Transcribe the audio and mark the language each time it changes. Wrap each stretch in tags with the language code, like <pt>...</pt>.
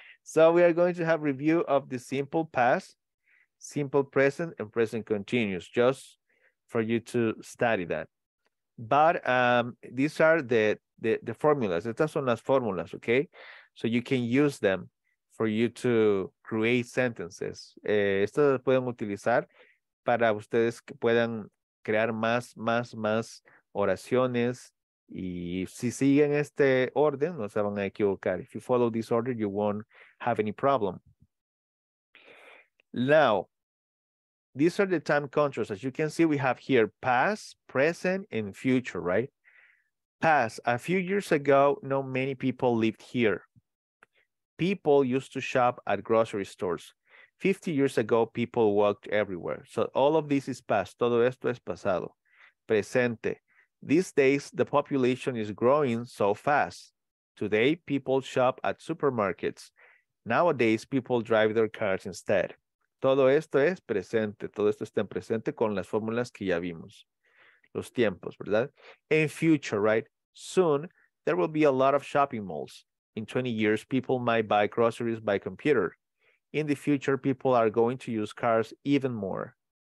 <en>So we are going to have review of the simple past, simple present, and present continuous. Just for you to study that. But these are the formulas.</en> <es>Estas son las fórmulas,</es> <en>okay? So you can use them for you to create sentences.</en> <es>Estas las pueden utilizar para ustedes que puedan crear más oraciones. Y si siguen este orden, no se van a equivocar.</es> <en>If you follow this order, you won't have any problem. Now, these are the time controls. As you can see, we have here past, present, and future, right? Past, a few years ago, not many people lived here. People used to shop at grocery stores. 50 years ago, people walked everywhere. So all of this is past.</en> <es>Todo esto es pasado. Presente.</es> <en>These days, the population is growing so fast. Today, people shop at supermarkets. Nowadays, people drive their cars instead.</en> <es>Todo esto es presente. Todo esto está en presente con las fórmulas que ya vimos. Los tiempos, ¿verdad?</es> <en>In future, right? Soon, there will be a lot of shopping malls. In 20 years, people might buy groceries by computer. In the future, people are going to use cars even more.</en>